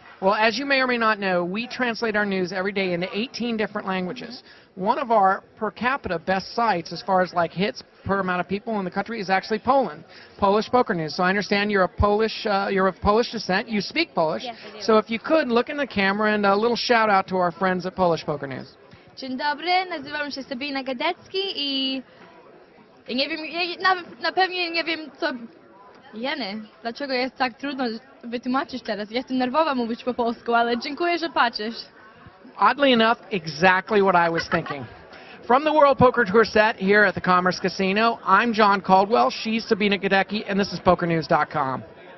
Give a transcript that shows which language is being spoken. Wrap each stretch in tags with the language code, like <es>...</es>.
<en>Well, as you may or may not know, we translate our news every day into 18 different languages. Mm-hmm. One of our per capita best sites as far as like hits per amount of people in the country is actually Poland, Polish Poker News. So I understand you're of Polish descent. You speak Polish. Yes, I do. So if you could, look in the camera and a little shout out to our friends at Polish Poker News.</en> <pl>Dzień dobry, nazywam się Sabina Gadecki i nie wiem, na pewno nie wiem, co... Jeny, dlaczego jest tak trudno wytłumaczyć teraz? Jestem nerwowa mówić po polsku, ale dziękuję, że patrzysz.</pl> <en>Oddly enough, exactly what I was thinking. From the World Poker Tour set here at the Commerce Casino, I'm John Caldwell, she's Sabina Gadecki, and this is PokerNews.com.</en>